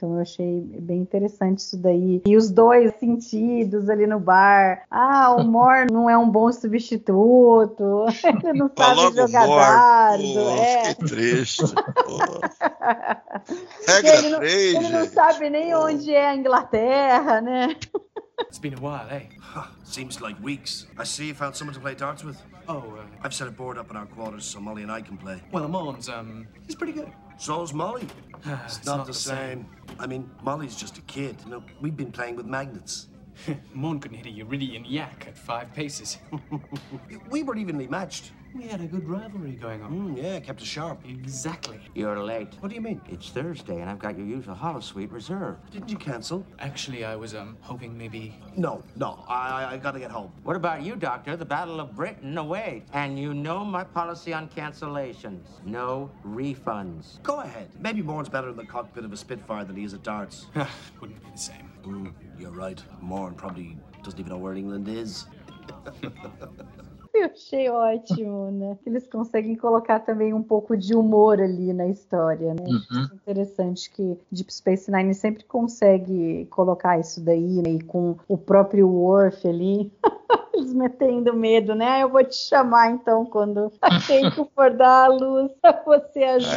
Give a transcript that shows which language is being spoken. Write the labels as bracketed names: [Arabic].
[Portuguese] Então eu achei bem interessante isso daí. E os dois sentidos ali no bar, ah, o Mor não é um bom substituto, ele não tá, sabe jogar dardo. Fiquei triste. Regra 3. Ele não sabe nem onde é a Inglaterra, né? [English] It's been a while, eh? Seems like weeks. I see you found someone to play darts with. Oh, I've set a board up in our quarters so Molly and I can play. Well, Amon's, he's pretty good. So's Molly. It's not the same. I mean, Molly's just a kid. You know, we've been playing with magnets. Mon couldn't hit a Euridian yak at five paces. We were evenly matched. We had a good rivalry going on. Kept us sharp. Exactly. You're late. What do you mean? It's Thursday, and I've got your usual hall suite reserved. Didn't you cancel? Actually, I was hoping maybe. No. I gotta get home. What about you, Doctor? The Battle of Britain awaits. And you know my policy on cancellations. No refunds. Go ahead. Maybe Morn's better in the cockpit of a Spitfire than he is at darts. Wouldn't be the same. You're right. Morn probably doesn't even know where England is. [Portuguese] Eu achei ótimo, né? Eles conseguem colocar também um pouco de humor ali na história, né? Uhum. Interessante que Deep Space Nine sempre consegue colocar isso daí, né? E com o próprio Worf ali, eles metendo medo, né? Eu vou te chamar então quando a Keiko for dar a luz pra você ajudar.